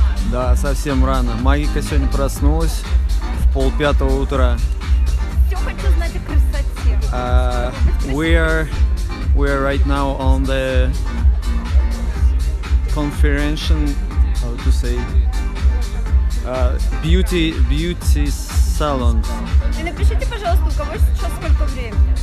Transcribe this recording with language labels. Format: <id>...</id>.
<ru>Да, совсем рано. Магика сегодня проснулась в 4:30 утра. Все хочу знать о красоте.</ru> <en>We are right now on the conference, how to say, beauty salon.</en> <ru>И напишите, пожалуйста, у кого сейчас сколько времени?</ru>